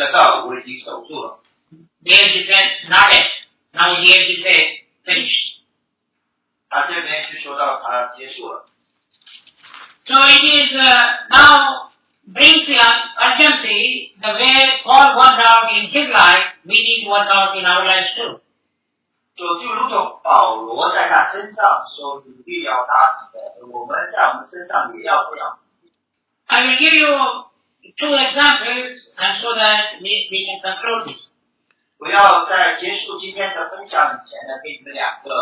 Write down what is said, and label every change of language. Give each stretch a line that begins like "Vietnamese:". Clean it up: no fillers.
Chinese: 那美好的仗我已经打过了，当好的路我已经跑尽了，忠心的道我已经守住了。
English: There he said, not yet. Now here he said, finished.
Chinese: 他这边就说到他结束了。
English: So it is now brings the urgency the way Paul worked out in his life. We need to work out in our lives too.
Chinese: So, 就如同保罗在他身上所努力要达成的，我们在我们身上也要这样。
English: I will give you 2 examples, and so that we can conclude this.
Chinese: 我要在结束今天的分享以前呢，给你们两个。